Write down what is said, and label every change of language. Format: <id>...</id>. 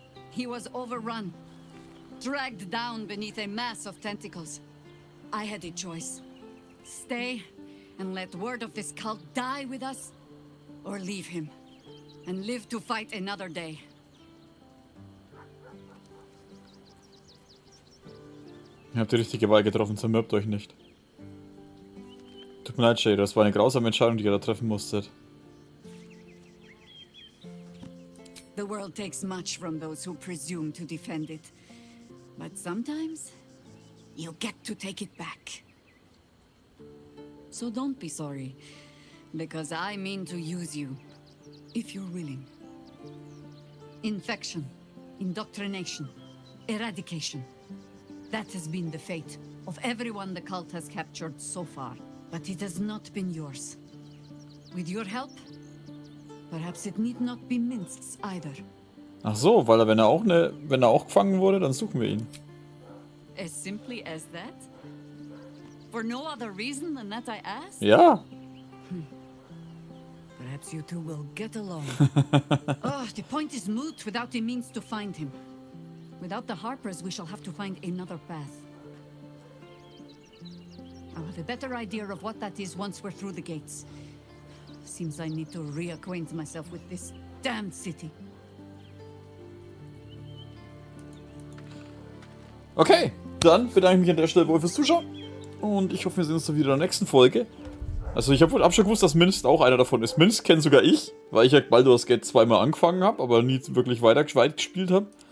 <en>He was overrun, dragged down beneath a mass of tentacles. I had a choice. Stay and let word of this cult die with us, or leave him and live to fight another day.</en> <de>Ihr habt die richtige Wahl getroffen, zermürbt euch nicht. Tut mir leid, Shade, das war eine grausame Entscheidung, die ihr da treffen musstet.</de> <en>The world takes much from those who presume to defend it. But sometimes, you get to take it back. So don't be sorry, because I mean to use you, if you're willing. Infection, indoctrination, eradication. That has been the fate of everyone the cult has captured so far, but it has not been yours. With your help, perhaps it need not be Minsk's either.</en> <de>Ach so, weil er, wenn er auch gefangen wurde, dann suchen wir ihn.</de> <en>As simply as that? For no other reason than that I ask?</en> <de>Ja.</de> <en>Perhaps you two will get along. Oh, the point is moot without a means to find him. Without the Harpers, we shall have to find another path. I have a better idea of what that is once we're through the gates. Seems I need to reacquaint myself with this damned city.</en> <de>Okay, dann bedanke ich mich an der Stelle wohl fürs Zuschauen. Und ich hoffe, wir sehen uns dann wieder in der nächsten Folge. Also ich habe schon gewusst, dass Minsk auch einer davon ist. Minsk kennt sogar ich, weil ich ja Baldurs Gate zweimal angefangen habe, aber nie wirklich weiter gespielt habe.</de>